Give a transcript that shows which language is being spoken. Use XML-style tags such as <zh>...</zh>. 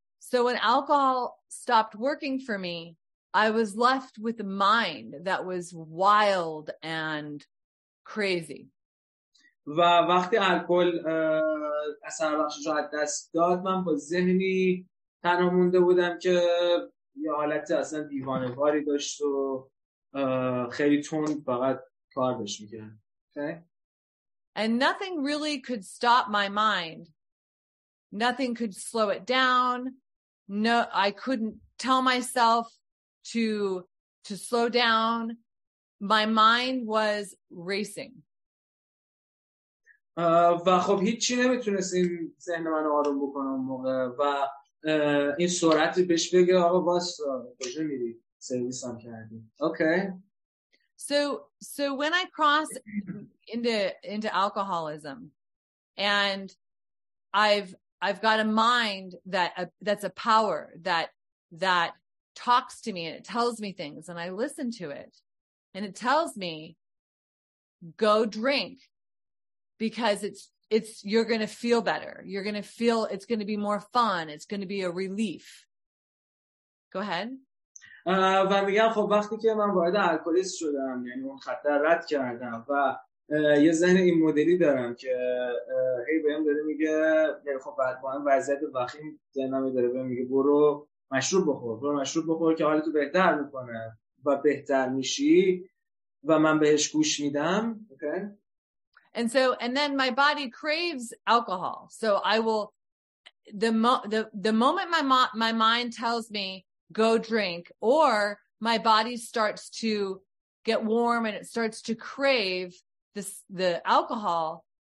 <en>So when alcohol stopped working for me, I was left with a mind that was wild and crazy.</en> <fa>و وقتی الکل اثر بخشش رو از دست داد، من با ذهنی تنها مونده بودم که یه حالت اصلا دیوانه‌واری داشت و خیلی تند فقط کار بهش می‌کرد.</fa> <en>Okay? And nothing really could stop my mind. Nothing could slow it down. No, I couldn't tell myself to slow down. My mind was racing.</en> <fa>و خب هیچی نمیتونست این ذهن من رو آروم بکنه اون موقع و این سرعت بهش بگه آقا واسه کجا میری، سرویس هم کردی.</fa> <en>Okay. So when I cross into alcoholism and I've got a mind that's a power that talks to me and it tells me things and I listen to it and it tells me, go drink because it's, you're going to feel better. You're going to feel, it's going to be more fun. It's going to be a relief. Go ahead.</en> <fa>و میگم خب وقتی که من وارد الکلیسم شدم یعنی اون خطر رد کردم و یه ذهن این مدلی دارم که هی بهم داره میگه خب بعد با این وضعیت وخیم ذهنم داره بهم میگه برو مشروب بخور برو مشروب بخور که حالتو بهتر میکنه و بهتر میشی و من بهش گوش میدم okay.</fa> <en>And so and then my body craves alcohol so I will the moment my mind tells me go drink or my body starts to get warm and it starts to crave the alcohol.</en>